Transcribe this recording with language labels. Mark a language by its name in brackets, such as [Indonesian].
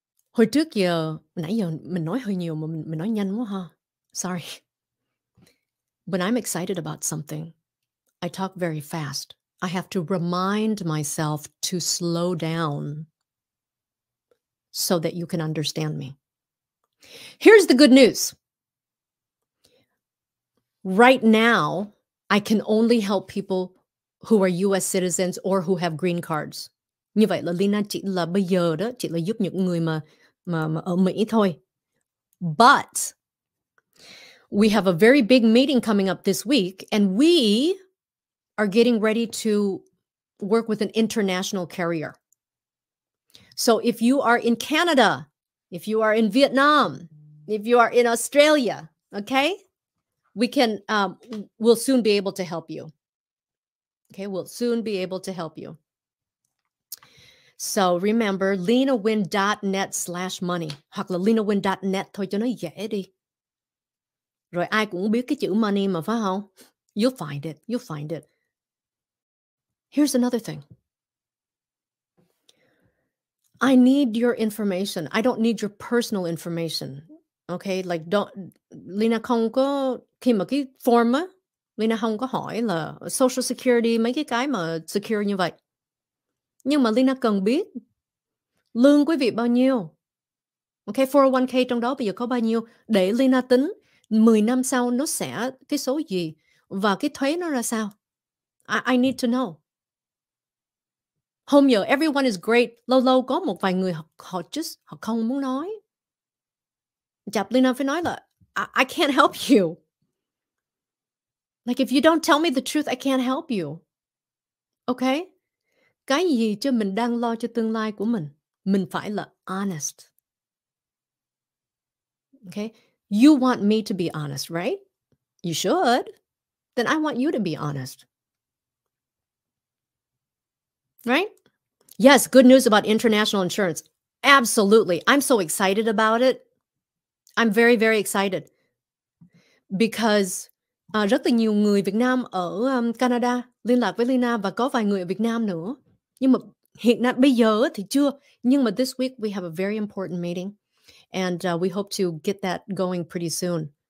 [Vietnamese] Hồi trước giờ, nãy giờ mình nói hơi nhiều, mà mình nói nhanh quá ha. [English] Sorry. When I'm excited about something, I talk very fast. I have to remind myself to slow down so that you can understand me. Here's the good news. Right now, I can only help people who are US citizens or who have green cards. [Vietnamese] Như vậy là Leyna chỉ là bây giờ đó, chỉ là giúp những người mà ở Mỹ thôi. [English] But we have a very big meeting coming up this week, and we are getting ready to work with an international carrier. So if you are in Canada, if you are in Vietnam, if you are in Australia, okay, we'll soon be able to help you. Okay, we'll soon be able to help you. So remember, LeynaNguyen.net/money. [Vietnamese] Hoặc là LeynaNguyen.net thôi cho nó dễ đi. Rồi ai cũng biết cái chữ money mà phải không? [English] You'll find it, you'll find it. Here's another thing. I need your information. I don't need your personal information. Okay, like don't [Vietnamese] Leyna không có khi mà cái form á, Leyna không có hỏi là social security mấy cái mà secure như vậy. Nhưng mà Leyna cần biết lương quý vị bao nhiêu. Okay, 401k trong đó bây giờ có bao nhiêu để Leyna tính 10 năm sau nó sẽ cái số gì và cái thuế nó ra sao. [English] I need to know. [Vietnamese] Hôm giờ [English] everyone is great, [Vietnamese] lâu lâu có một vài người họ không muốn nói. Chạp Leyna phải nói là [English] I can't help you. Like if you don't tell me the truth, I can't help you. Okay? [Vietnamese] Cái gì cho mình đang lo cho tương lai của mình? Mình phải là honest. [English] Okay? You want me to be honest, right? You should. Then I want you to be honest. Right? Yes, good news about international insurance. Absolutely. I'm so excited about it. I'm very, very excited. [Vietnamese] Because rất là nhiều người Việt Nam ở Canada liên lạc với Leyna và có vài người ở Việt Nam nữa. Nhưng mà hiện nay, bây giờ thì chưa. Nhưng mà [English] this week we have a very important meeting. And we hope to get that going pretty soon.